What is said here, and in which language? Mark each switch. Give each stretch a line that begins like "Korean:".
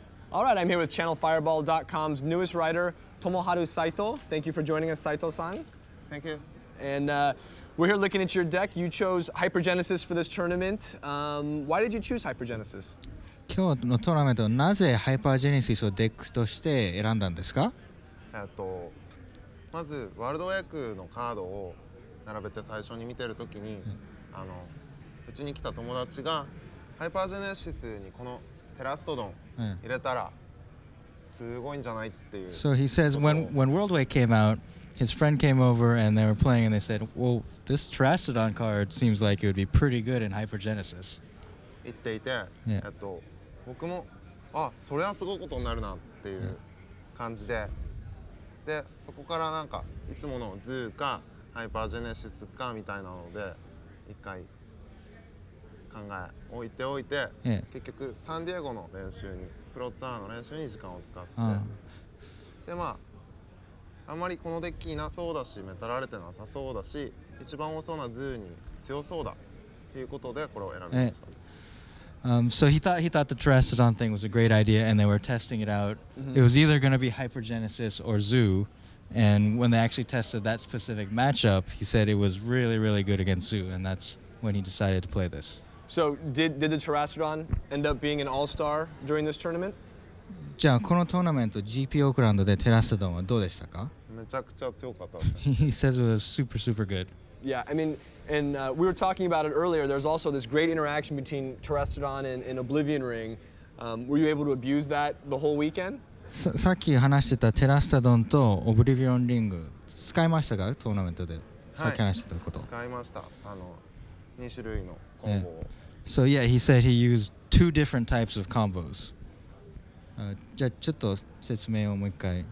English: All right, I'm here with ChannelFireball.com's newest writer, Tomoharu Saito. Thank you for joining us, Saito-san. Thank you. And we're here looking at your deck. You chose Hypergenesis for this tournament. Why did you choose Hypergenesis?
Japanese: 今日のトーナメント、なぜハイパージェネシスをデックとして選んだんですか？まずワールドウェイクのカードを並べて最初に見てるときに、うちに来た友達がハイパージェネシスにこのテラストドン入れたらすごいんじゃないっていう。
English: So he says when World Wake came out, his friend came over and they were playing and they said, well, this Terastodon card seems like it would be pretty good in Hypergenesis.
Japanese: 言っていて、僕もあ、それはすごいことになるなっていう感じで、でそこからなんかいつものズーかハイパージェネシスかみたいなので一回考え置いておいて、結局サンディエゴの練習にプロツアーの練習に時間を使って、でまああまりこのデッキいなそうだしメタられてなさそうだし一番多そうなズーに強そうだということでこれを選びました。
English: So he thought the Terastodon thing was a great idea and they were testing it out. Mm-hmm. It was either going to be Hypergenesis or Zoo. And when they actually tested that specific matchup, he said it was really, really good against Zoo. And that's when he decided to play this. So did the Terastodon end up being an all-star during this tournament?
Japanese: じゃあこのトーナメント GP オークランドでテラストドンはどうでしたか？めちゃくちゃ強かった。
English: He says it was super, super good. Yeah, I mean... And we were talking about it earlier. There's also this great interaction between Terastodon and Oblivion Ring. Were you able to abuse that the whole weekend?
Japanese: さっき話してたテラスタドンとオブリビオンリング使いましたか？トーナメントで。はい。さっき話してたこと。使いました。2種類のコンボを。
English: So yeah, he said he used two different types of combos.
Japanese: じゃあちょっと説明をもう一回。